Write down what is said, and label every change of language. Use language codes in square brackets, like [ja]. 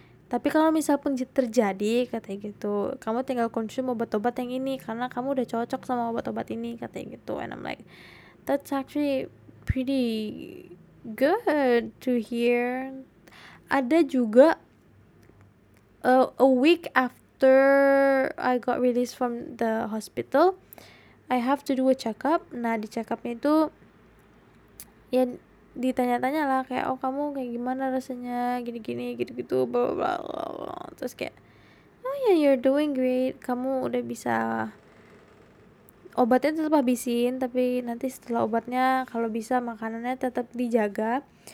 [id] Tapi kalau misal pun terjadi, katanya gitu, kamu tinggal consume obat-obat yang ini, karena kamu udah cocok sama obat-obat ini, katanya gitu. [en] And I'm like, that's actually pretty good to hear. [id] Ada juga [en] a week after I got released from the hospital, I have to do a check-up. [id] Nah, di check-upnya itu ya ditanya-tanya lah, kayak, oh kamu kayak gimana rasanya, gini-gini, gitu-gitu, blah, blah, blah, blah. Terus kayak, [en] oh yeah, you're doing great, [id] kamu udah bisa. Obatnya tetap habisin, tapi nanti setelah obatnya, kalau bisa makanannya tetap dijaga.